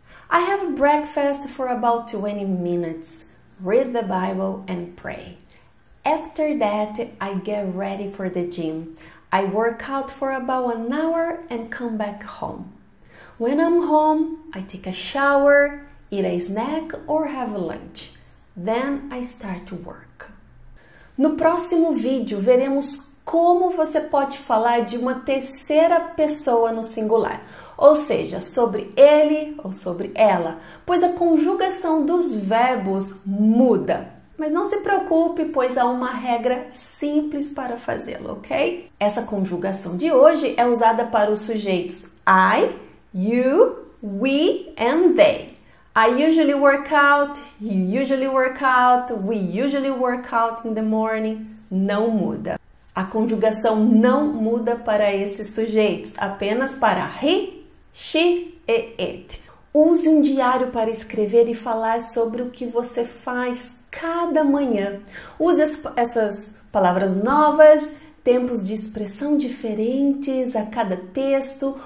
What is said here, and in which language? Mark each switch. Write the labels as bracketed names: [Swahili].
[English] I have breakfast for about 20 minutes, read the Bible and pray. After that, I get ready for the gym. I work out for about an hour and come back home. When I'm home, I take a shower, eat a snack or have lunch. Then I start to work. [Portuguese] No próximo vídeo, veremos como você pode falar de uma terceira pessoa no singular. Ou seja, sobre ele ou sobre ela, pois a conjugação dos verbos muda. Mas não se preocupe, pois há uma regra simples para fazê-lo, ok? Essa conjugação de hoje é usada para os sujeitos [English] I, you, we and they. I usually work out, you usually work out, we usually work out in the morning. [Portuguese] Não muda. A conjugação não muda para esses sujeitos, apenas para he, she e it. Use um diário para escrever e falar sobre o que você faz cada manhã. Use essas palavras novas, tempos de expressão diferentes a cada texto.